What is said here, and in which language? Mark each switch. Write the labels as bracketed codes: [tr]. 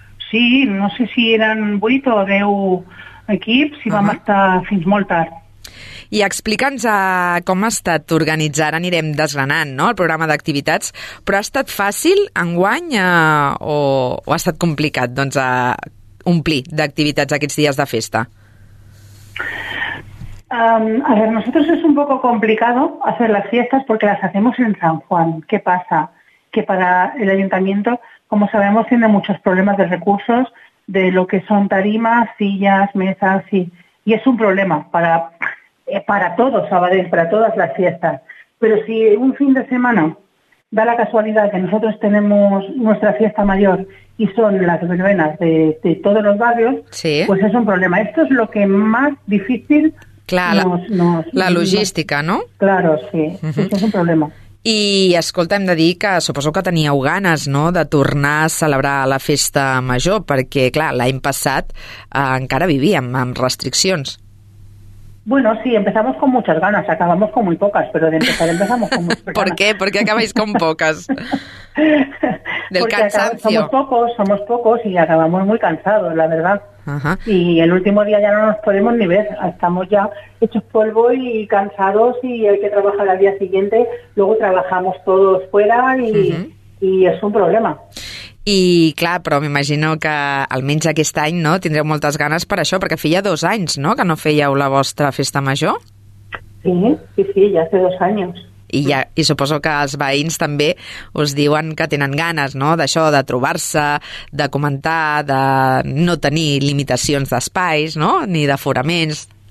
[ca] Sí, no sé si eren 8 o 10 equips, i vam estar fins molt tard. I explica'ns com ha estat organitzar, anirem desgranant, no?, el programa d'activitats, però ha estat fàcil enguany o ha estat complicat doncs, a omplir d'activitats aquests dies de festa? [es] A ver, nosotros es un poco complicado hacer las fiestas porque las hacemos en San Juan. ¿Qué pasa? Que para el ayuntamiento, como sabemos, tiene muchos problemas de recursos, de lo que son tarimas, sillas, mesas, y es un problema para todos, Sabadell, para todas las fiestas. Pero si un fin de semana da la casualidad que nosotros tenemos nuestra fiesta mayor y son las verbenas de todos los barrios, sí, pues es un problema. Esto es lo que más difícil claro, nos la logística, ¿no? Claro, sí. Uh-huh. Es un problema. [ca] I, escolta, hem de dir que suposo que teníeu ganes, no?, de tornar a celebrar la festa major, perquè, clar, l'any passat encara vivíem amb restriccions. [es] Bueno, sí, empezamos con muchas ganas, acabamos con muy pocas, pero de empezar empezamos con muchas ganas. ¿Por qué? ¿Por qué acabáis con pocas? Del porque cansancio. Somos pocos y acabamos muy cansados, la verdad. Ajá. Y el último día ya no nos podemos ni ver, estamos ya hechos polvo y cansados y hay que trabajar al día siguiente. Luego trabajamos todos fuera y es un problema. [ca] I, clar, però m'imagino que almenys aquest any, no?, tindreu moltes ganes per això, perquè feia 2 anys, no?, que no fèieu la vostra festa major. Sí, ja fa 2 anys. I suposo que els veïns també us diuen que tenen ganes, no?, d'això, de trobar-se, de comentar, de no tenir limitacions d'espais, no?, ni d'aforaments.